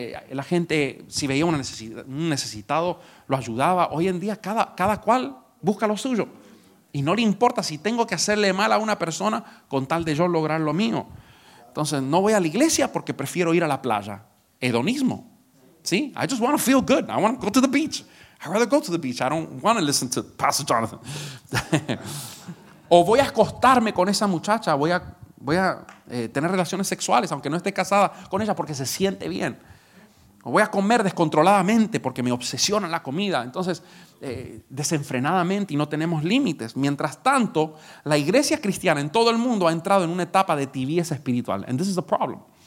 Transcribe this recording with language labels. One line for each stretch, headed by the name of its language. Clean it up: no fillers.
Spanish: La gente, si veía un necesitado, lo ayudaba. Hoy en día cada cual busca lo suyo. Y no le importa si tengo que hacerle mal a una persona con tal de yo lograr lo mío. Entonces, no voy a la iglesia porque prefiero ir a la playa. Hedonismo. ¿Sí?
English: I just want to feel good. I want to go to the beach. I'd rather go to the beach. I don't want to listen to Pastor Jonathan.
Spanish: O voy a acostarme con esa muchacha. Voy a tener relaciones sexuales, aunque no esté casada con ella, porque se siente bien. O voy a comer descontroladamente porque me obsesiona la comida. Entonces, desenfrenadamente, y no tenemos límites. Mientras tanto, la iglesia cristiana en todo el mundo ha entrado en una etapa de tibieza espiritual.
English: And this is the problem.